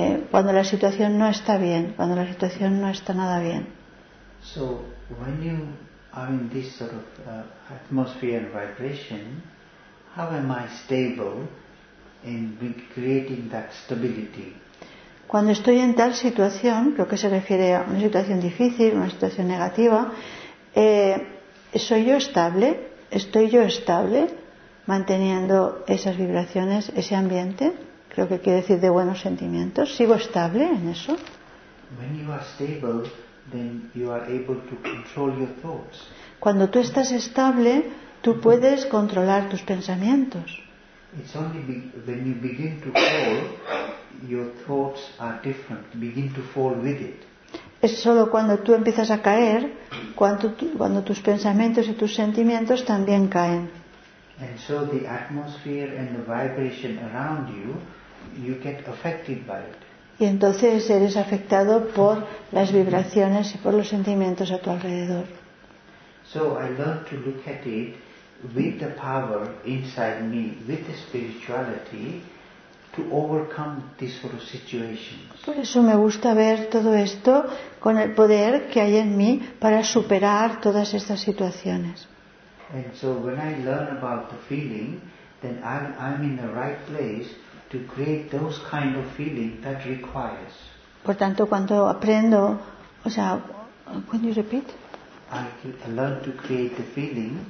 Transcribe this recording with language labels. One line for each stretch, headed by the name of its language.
Spanish: Cuando la situación no está bien, cuando la situación no está nada bien.
English: So when you are in this sort of atmosphere and vibration, how am I stable in creating that stability?
Spanish: Cuando estoy en tal situación, creo que se refiere a una situación difícil, una situación negativa, ¿soy yo estable? ¿Estoy yo estable manteniendo esas vibraciones, ese ambiente? Creo que quiere decir de buenos sentimientos. ¿Sigo estable en eso?
English: When you are stable, then you are able to control your thoughts.
Spanish: Cuando tú estás estable, tú puedes controlar tus pensamientos.
English: It's only when you begin to fall, your thoughts are different. Begin to fall with it.
Spanish: Es solo cuando tú empiezas a caer, cuando tus pensamientos y tus sentimientos también caen.
English: And so the atmosphere and the vibration around you, you get affected by it.
Spanish: Y entonces eres afectado por las vibraciones y por los sentimientos a tu alrededor.
English: So I learned to look at it with the power inside me, with the spirituality, to overcome these sort of situations.
Spanish: Por eso me gusta ver todo esto con el poder que hay en mí para superar todas estas situaciones.
English: And so when I learn about the feeling, then I'm in the right place to create those kind of feeling that requires.
Spanish: Por tanto, cuando aprendo, o sea,
English: when you repeat, I learn to create the feeling.